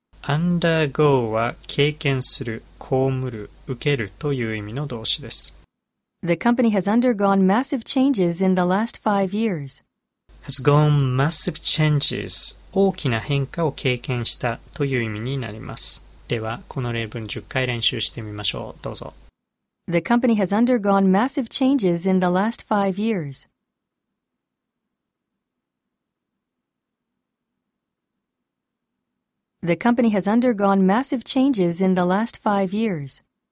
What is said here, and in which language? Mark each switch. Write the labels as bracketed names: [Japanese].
[Japanese] Undergo は経験する、被る、受けるという意味の動詞です。 [English] The company has undergone massive changes in the last 5 years. Has gone massive changes. [Japanese] 大きな変化を経験したという意味になります。では、この例文10回練習してみましょう。どうぞ。 [English] The company has undergone massive changes in the last 5 years. The company has undergone massive changes in the last 5 years.